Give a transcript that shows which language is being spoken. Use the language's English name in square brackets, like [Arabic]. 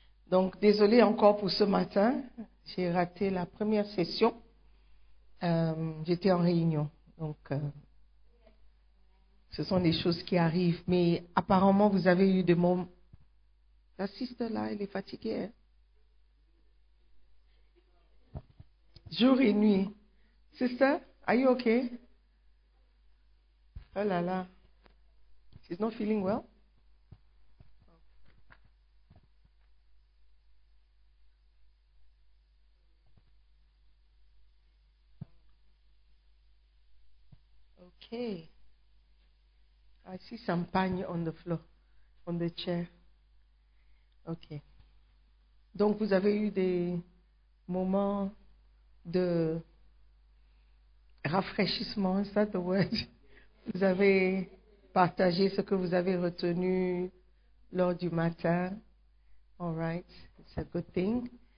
[French] Donc, désolé encore pour ce matin, j'ai raté la première session, j'étais en réunion, donc ce sont des choses qui arrivent, mais apparemment vous avez eu des moments, la sister là, elle est fatiguée, hein? [English] Jour et nuit, sister, are you okay? Oh là là, she's not feeling well? Okay, I see some pagne on the floor, on the chair. [French] Okay. Donc, vous avez eu des moments de rafraîchissement, [English] is that the word? [French] Vous avez partagé ce que vous avez retenu lors du matin. [English] All right, it's a good thing.